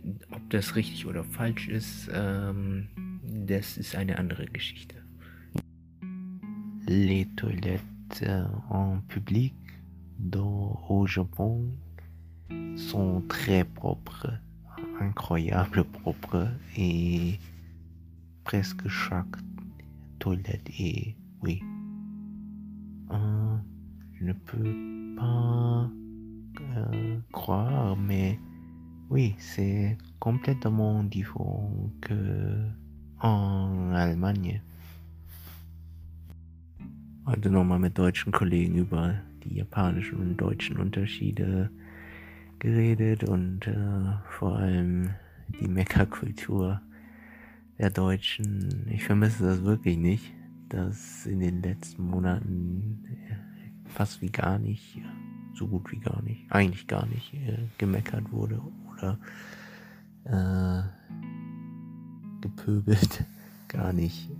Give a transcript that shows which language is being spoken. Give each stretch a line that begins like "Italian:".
German: Ob das richtig oder falsch ist, das ist eine andere Geschichte.
French: Les toilettes en public au Japon sont très propres, incroyable propres, et presque chaque toilette est, oui. Je ne peux pas croire, mais oui, c'est complètement différent que en Allemagne.
German: Also nochmal mit deutschen Kollegen über die japanischen und deutschen Unterschiede geredet, und vor allem die Meckerkultur der Deutschen. Ich vermisse das wirklich nicht, dass in den letzten Monaten fast wie gar nicht, so gut wie gar nicht, eigentlich gar nicht gemeckert wurde oder gepöbelt, gar nicht.